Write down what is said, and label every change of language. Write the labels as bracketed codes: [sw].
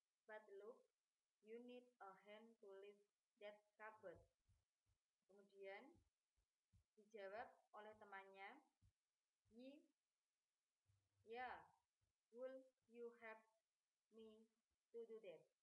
[en] But look, you need a hand to lift that cupboard. [id] Kemudian, dijawab oleh temannya. [en] Yeah, will you help me to do that?